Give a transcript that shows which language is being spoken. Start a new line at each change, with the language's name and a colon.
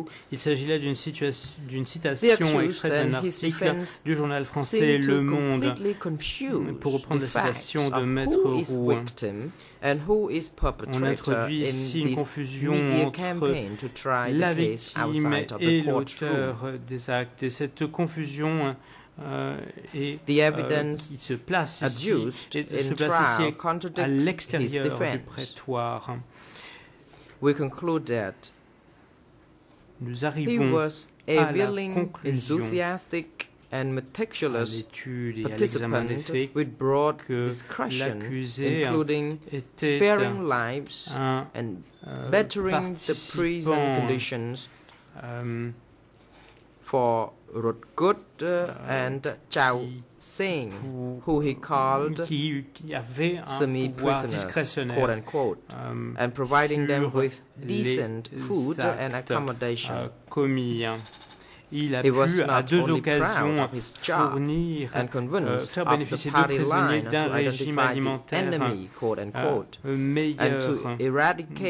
French: Il s'agit là d'une citation extraite d'un article du journal français Le Monde, pour reprendre la citation de Maître Roux.
English: And who is perpetrator in this media campaign to try the case outside of the courtroom?
French: La victime et l'auteur des actes. Et cette confusion se place ici à l'extérieur du prétoire.
English: We conclude that
French: nous arrivons à la conclusion.
English: And meticulous participant with broad discretion, including sparing lives and bettering the prison conditions for Rut Gut and Chau Sing, who he called semi prisoners, quote unquote, and providing them with decent food and accommodation.
French: Il a pu à deux occasions fournir, faire bénéficier deux prisonniers d'un régime alimentaire meilleur